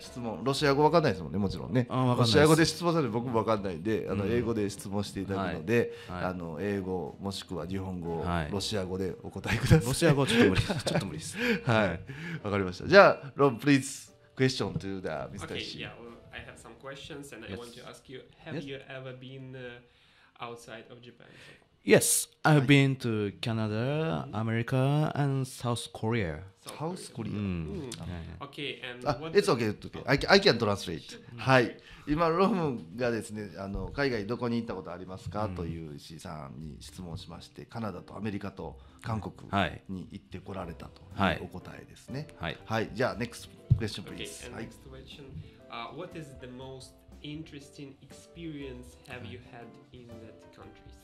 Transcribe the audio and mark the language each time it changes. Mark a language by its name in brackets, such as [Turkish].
[Japanese] 質問、ロシア語わかんないですもんね、もちろんね、あ、わかんないです、ロシア語で質問されて僕もわかんないんで、あの英語で質問していただくので、うん、はい、あの英語もしくは日本語、はい、ロシア語でお答えください。ロシア語ちょっと無理ちょっと無理です。はい、わかりました。じゃあロン、 [English] プリーズクエスチョン [Japanese] とミスター氏。 [English] I have some questions and I want to ask you, have you ever been outside of Japan? Yes, I've been to Canada, America, and South Korea. South Korea. Mm. Okay, and what? It's okay. I can translate. [Japanese] はい。今ロムがですね、あの海外どこに行ったことありますか、うん、という石井さんに質問しまして、カナダとアメリカと韓国に行ってこられたというお答えですね。はい。はい。じゃあ [English] next question please. Okay. And next question. What is the most interesting experience have you had in that country?